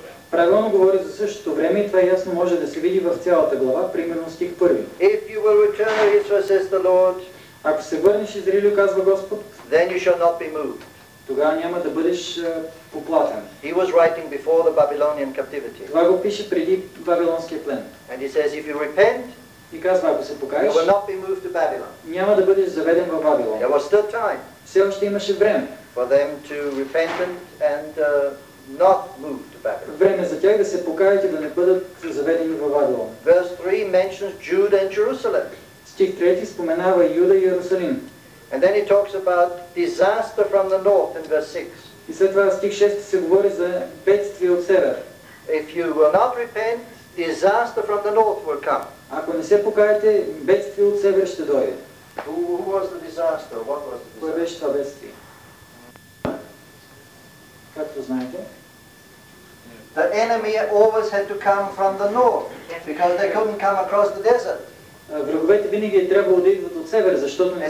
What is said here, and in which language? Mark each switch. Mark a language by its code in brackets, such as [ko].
[bg] Правилно говори за същото време и това ясно може да се види в цялата глава, примерно стих 1. [en] If you will return to Israel, says the Lord, [bg] ако се върнеш Израилю, казва Господ, [en] then you shall not be moved. [bg] Тогава няма да бъдеш поплатен. [en] He was writing before the Babylonian captivity. [bg] Това го пише преди Бабилонския плен. [en] And he says, if you repent, [bg] и казва, ако се покаеш, [en] you will not be moved to Babylon. [bg] Няма да бъдеш заведен в Бабилон. [en] There was still time. [bg] Все още имаше време. [en] For them to repent and not move to Babylon. [bg] Време за тях да се покаят и да не бъдат заведени в Бабилон. [en] Verse 3 mentions Judah and Jerusalem. [bg] Стих 3 споменава Юда и Йерусалим. [en] And then he talks about disaster from the north in verse 6. [bg] И след това стих 6 се говори за бедствие от север. [en] If you will not repent, disaster from the north will come. [bg] Ако не се покаяте, бедствие от север ще дойде. [en] Who was the disaster? What was the disaster? [bg] Кое беше това бедствие? Както знаете, [en] the enemy always had to come from the north because they couldn't come across the desert. [bg] Враговете винаги е трябвало да идват от север, защото не